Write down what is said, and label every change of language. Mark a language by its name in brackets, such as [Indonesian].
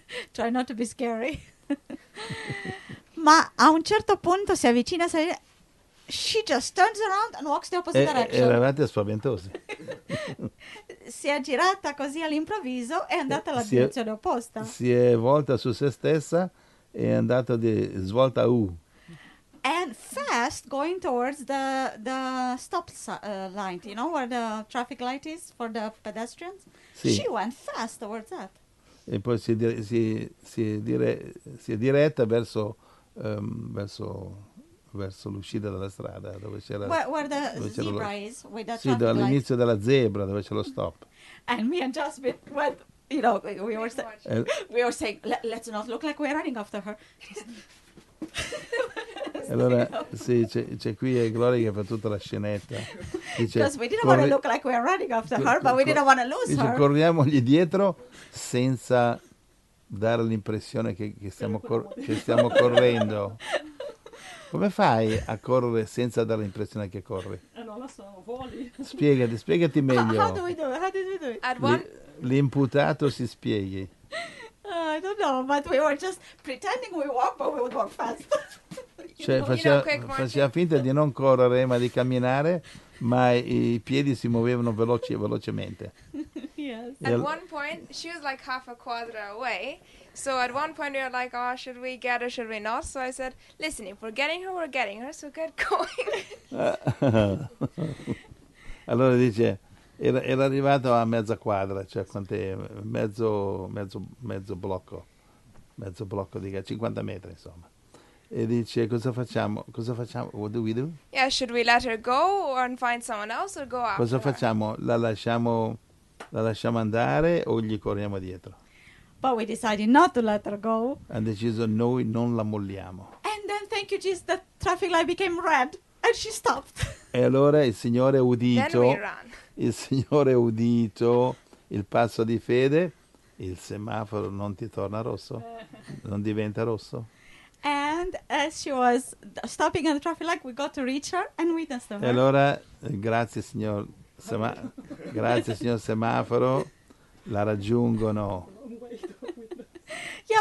[English] Try not to be scary. [Italian] Ma a un certo punto si avvicina, [English] she just turns around and walks the opposite direction. [Italian] Eravate spaventosi. Si è girata così all'improvviso e è andata alla direzione opposta. Si è volta su se stessa e è andata di svolta U. [English] And fast going towards the stop line, you know, where the traffic light is for the pedestrians. [Italian] Sì. [English] She went fast towards that. [Italian] E poi si è diretta verso l'uscita della strada dove c'era [English] where the zebra is, [Italian] dall'inizio della zebra dove c'è lo stop. [English] And me and Jasmine went, you know, we were saying let's not look like we're running after her. [Italian] Allora sì, c'è qui è Gloria che fa tutta la scenetta. Dice, [English] because we didn't want to look like we're running after her, but we didn't want to lose her. [Italian] Corriamogli dietro senza dare l'impressione che stiamo correndo. Come fai a correre senza dare l'impressione che corri? Non lo so, voli. Spiegati meglio. [English] How do we do it? [Italian] L'imputato si spieghi. [English] I don't know, but we were just pretending we walk, but we would walk fast. [Italian] Cioè, faceva finta di non correre, ma di camminare, ma i piedi si muovevano velocemente. [English] Yes. At one point, she was like half a quadra away. So at one point, we were like, oh, should we get her, should we not? So I said, listen, if we're getting her, we're getting her, so get going. [Italian] Allora dice, era arrivato a mezza quadra, cioè quant'è? Mezzo blocco, dica, 50 metri, insomma. E dice, cosa facciamo? [English] What do we do? Yeah, should we let her go and find someone else or go after [Italian] Cosa [English] her? [Italian] Facciamo? La lasciamo andare o gli corriamo dietro? [English] But we decided not to let her go. And [Italian] deciso, noi non la molliamo. [English] And then, thank you, Jesus, the traffic light became red and she stopped. [Italian] E allora il Signore ha udito. Il Signore ha udito il passo di fede. Il semaforo non ti torna rosso? Non diventa rosso? [English] And as she was stopping at the traffic light, we got to reach her and witness her. [Italian] E allora, grazie signor semaforo, la raggiungono. [English] Yeah,